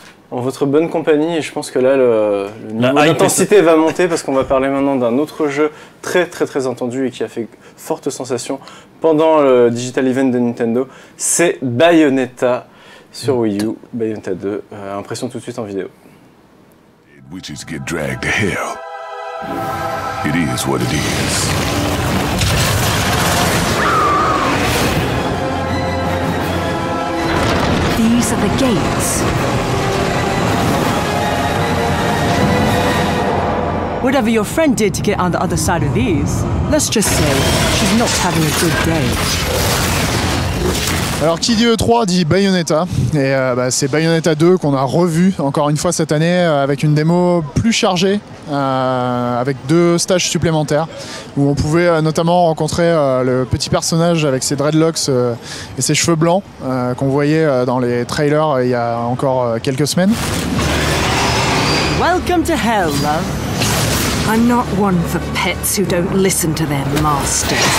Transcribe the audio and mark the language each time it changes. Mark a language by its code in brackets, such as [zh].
[fr] en votre bonne compagnie, et je pense que là, le niveau d'intensité va monter, parce qu'on va parler maintenant d'un autre jeu très très très entendu et qui a fait forte sensation pendant le Digital Event de Nintendo, c'est Bayonetta sur Wii U, Bayonetta 2. Impression tout de suite en vidéo. [en] Witches get dragged to hell. It is what it is. These are the gates. Whatever your friend did to get on the other side of these, let's just say she's not having a good day. [fr] Alors, qui dit E3 dit Bayonetta, et c'est Bayonetta 2 qu'on a revu encore une fois cette année avec une démo plus chargée, avec deux stages supplémentaires, où on pouvait notamment rencontrer le petit personnage avec ses dreadlocks et ses cheveux blancs qu'on voyait dans les trailers il y a encore quelques semaines. [en] Welcome to hell, love. I'm not one for pets who don't listen to their master.